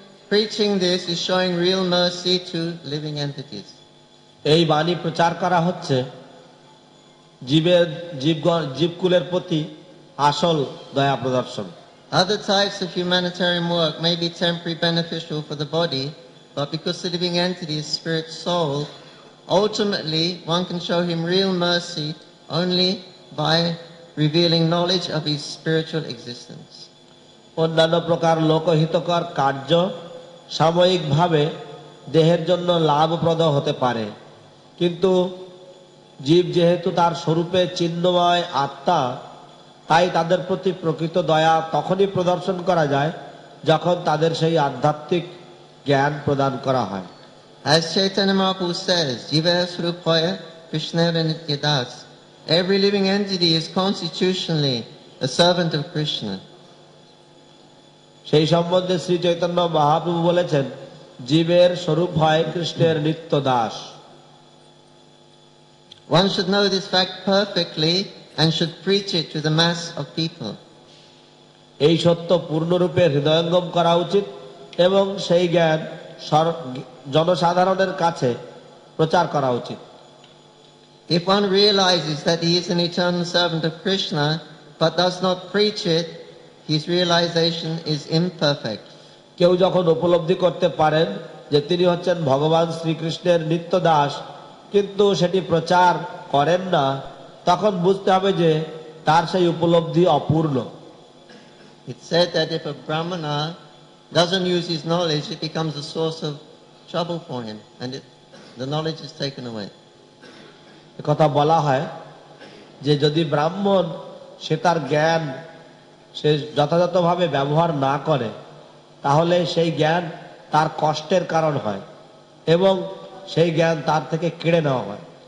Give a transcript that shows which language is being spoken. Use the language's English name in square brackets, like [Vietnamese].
[English] Preaching this is showing real mercy to living entities. [Bangla] এই বাণী প্রচার করা হচ্ছে জীবের জীবকুলের প্রতি আসল দয়া প্রদর্শন। [English] Other types of humanitarian work may be temporary beneficial for the body, but because the living entity is spirit soul, ultimately one can show him real mercy only by revealing knowledge of his spiritual existence. [Bangla] অন্যান্য প্রকার লোকহিতকর কার্য সাময়িকভাবে দেহের জন্য লাভপ্রদ হতে পারে, কিন্তু জীব যেহেতু তার স্বরূপে চিহ্নময় আত্মা, তাই তাদের প্রতি প্রকৃত দয়া তখনই প্রদর্শন করা যায় যখন তাদের সেই আধ্যাত্মিক জ্ঞান প্রদান করা হয়। [English] As Chaitanya Mahaprabhu says, [Bangla] jiva srupaya krishnaya nitya das, [English] every living entity is constitutionally a servant of Krishna. [Bangla] সেই সম্বন্ধে শ্রী চৈতন্য মহাপ্রভু বলেছেন, জীবের স্বরূপ হয় কৃষ্ণের নিত্য Das. [English] One should know this fact perfectly and should preach it to the mass of people. [Bangla] এই সত্য পূর্ণরূপে হৃদয়ঙ্গম করা উচিত এবং সেই জ্ঞান জনসাধারণের কাছে প্রচার করা উচিত। [English] If one realizes that he is an eternal servant of Krishna but does not preach it, his realization is imperfect. [Bangla] কেউ যখন উপলব্ধি করতে পারেন যে তিনি হচ্ছেন ভগবান শ্রীকৃষ্ণের নিত্য দাস, কিন্তু সেটি প্রচার করেন না, তখন বুঝতে হবে যে তার সেই উপলব্ধি অপূর্ণ। [English] It said that if a brahmana doesn't use his knowledge, it becomes a source of trouble for him and the knowledge is taken away. [Bangla] কথা বলা হয় যে যদি ব্রাহ্মণ সে তার জ্ঞান সে যথাযথভাবে ব্যবহার না করে, তাহলে সেই জ্ঞান তার কষ্টের কারণ হয় এবং সেই জ্ঞান তার থেকে কেড়ে নেওয়া হয়।